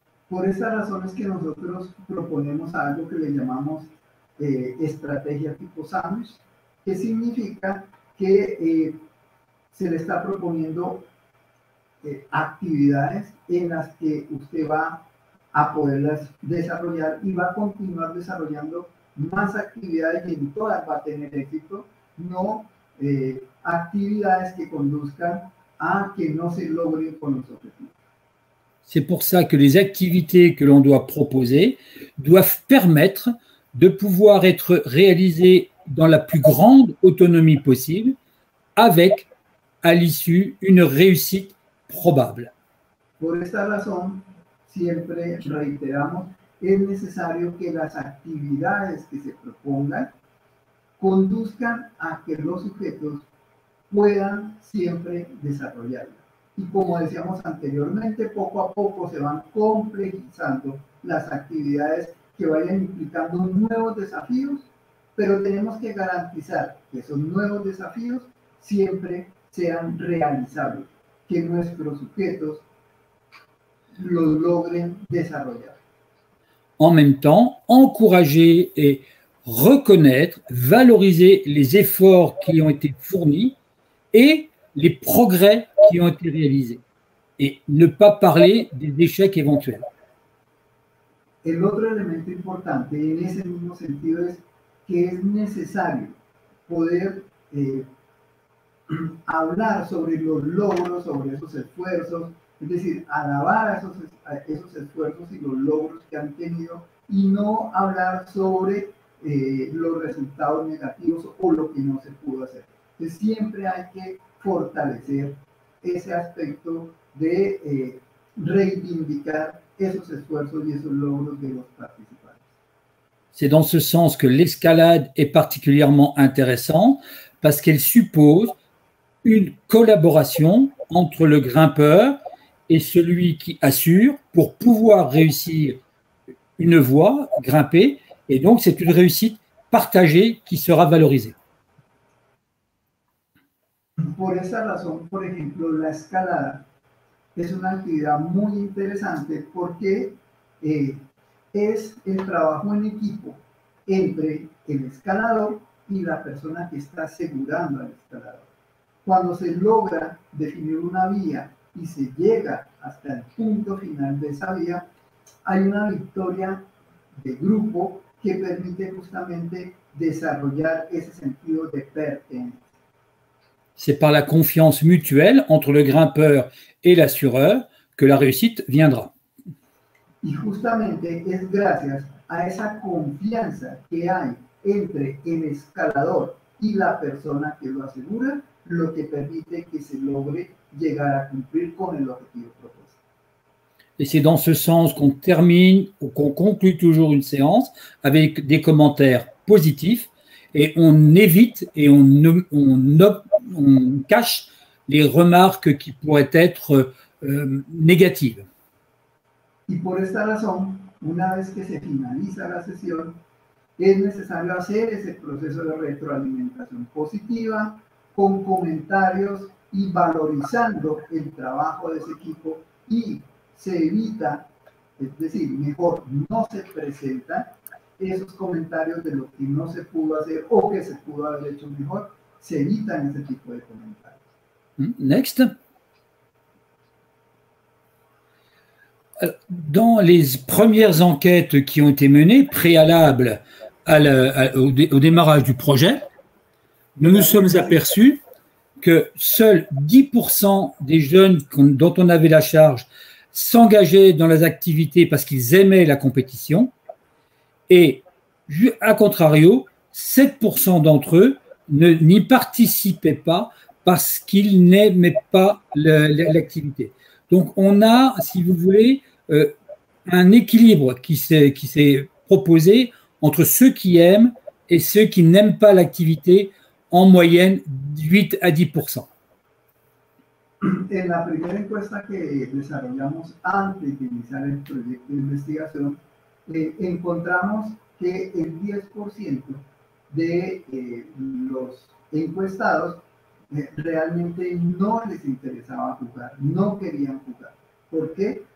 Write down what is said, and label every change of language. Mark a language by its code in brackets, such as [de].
[es] Por esa razón es que nosotros proponemos algo que le llamamos estrategia tipo sandwich, que significa que se le está proponiendo actividades en las que usted va a poderlas desarrollar y va a continuar desarrollando más actividades y en todas va a tener éxito, no actividades que conduzcan a que no se logren con los objetivos. [fr] C'est pour ça que les activités que l'on doit proposer doivent permettre de pouvoir être réalisées dans la plus grande autonomie possible avec, à l'issue, une réussite probable. [es] Por esta razón, siempre reiteramos, es necesario que las actividades que se propongan conduzcan a que los sujetos puedan siempre desarrollarlas. Y como decíamos anteriormente, poco a poco se van complejizando las actividades que vayan implicando nuevos desafíos, pero tenemos que garantizar que esos nuevos desafíos siempre sean realizables, que nuestros sujetos los logren desarrollar. [fr] En même temps, encourager et reconnaître, valoriser les efforts qui ont été fournis et les progrès qui ont été réalisés et ne pas parler des échecs éventuels. [es] El otro elemento importante en ese mismo sentido es que es necesario poder hablar sobre los logros, sobre esos esfuerzos, es decir, alabar esos esfuerzos y los logros que han tenido y no hablar sobre los resultados negativos o lo que no se pudo hacer. Entonces, siempre hay que fortalecer ese aspecto de reivindicar esos esfuerzos y esos logros de los participantes. [fr] C'est dans ce sens que l'escalade est particulièrement intéressante parce qu'elle suppose une collaboration entre le grimpeur et celui qui assure pour pouvoir réussir une voie, grimper, et donc c'est une réussite partagée qui sera valorisée. [es] Por esa razón, por ejemplo, la escalada es una actividad muy interesante porque es el trabajo en equipo entre el escalador y la persona que está asegurando al escalador. Cuando se logra definir una vía y se llega hasta el punto final de esa vía, hay una victoria de grupo que permite justamente desarrollar ese sentido de pertenencia. [fr] C'est par la confiance mutuelle entre le grimpeur et l'assureur que la réussite viendra. [es] Y justamente es gracias a esa confianza que hay entre el escalador y la persona que lo asegura lo que permite que se logre llegar a cumplir con el objetivo propuesto. [fr] Et c'est dans ce sens qu'on termine ou qu'on conclut toujours une séance avec des commentaires positifs et on évite et on cache les remarques qui pourraient être négatives. [es] Y por esta razón, una vez que se finaliza la sesión, es necesario hacer ese proceso de retroalimentación positiva con comentarios y valorizando el trabajo de ese equipo y se evita es decir, mejor no se presentan esos comentarios de lo que no se pudo hacer o que se pudo haber hecho mejor, se evitan ese tipo de comentarios. [en] Next. [fr] Dans les premières enquêtes qui ont été menées, préalables au démarrage du projet, nous nous sommes aperçus que seuls 10% des jeunes dont on avait la charge s'engageaient dans les activités parce qu'ils aimaient la compétition, et à contrario, 7% d'entre eux n'y participaient pas parce qu'ils n'aimaient pas l'activité. Donc on a, si vous voulez, un équilibre qui s'est proposé entre ceux qui aiment et ceux qui n'aiment pas l'activité, en moyenne 8 à 10%. [es] En la primera encuesta que desarrollamos antes de iniciar el proyecto de investigación, encontramos que el 10% de los encuestados realmente no les interesaba jugar, no querían jugar. ¿Por qué?